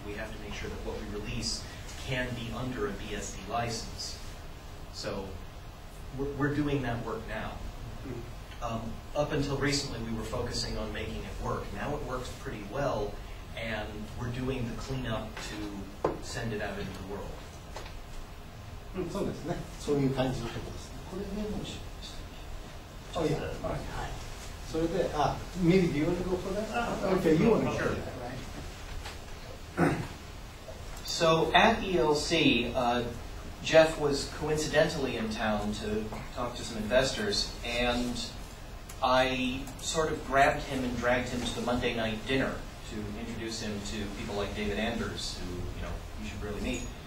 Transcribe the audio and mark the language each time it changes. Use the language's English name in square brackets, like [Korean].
[English] We have to make sure that what we release can be under a BSD license. So we're doing that work now. Up until recently, we were focusing on making it work. Now it works pretty well, and we're doing the cleanup to send it out into the world. [Japanese] そうですね。そういう感じのところですね。これメモしましたっけ？はい。それで、あ、 [English] maybe do you want to go for that? Okay, you want to go for that, right? So at ELC, Jeff was coincidentally in town to talk to some investors, and I sort of grabbed him and dragged him to the Monday night dinner to introduce him to people like David Anders, who, you know, you should really meet.